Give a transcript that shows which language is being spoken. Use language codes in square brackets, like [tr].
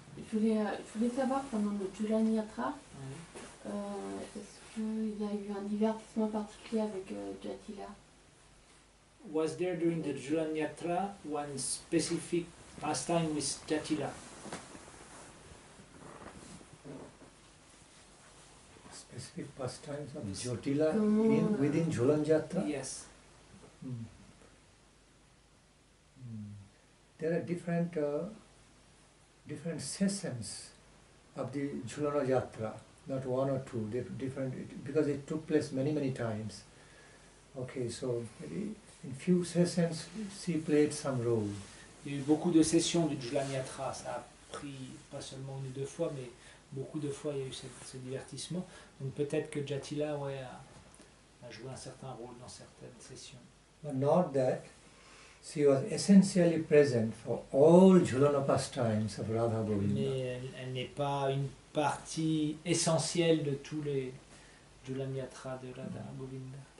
[fr] Je voulais savoir pendant le Tulani Yatra, est-ce qu'il y a eu un divertissement particulier avec Jatila? [en] Was there during the Julanyatra one specific pastime with Jatila? Specific pastimes of Jatila within Julanyatra? Yes. There are different sessions of the Julanyatra, not one or two, different, because it took place many, many times. Okay, so maybe in few sessions, she played some role. [fr] Il y a eu beaucoup de sessions du Julanyatra. Ça a pris pas seulement une ou deux fois, mais beaucoup de fois il y a eu ce divertissement. Donc peut-être que Jatila a joué un certain rôle dans certaines sessions. [en] But not that she was essentially present for all Julana pastimes of Radha Govinda. [fr] Mais elle n'est pas une partie essentielle de tous les Julanyatra de Radha Govinda.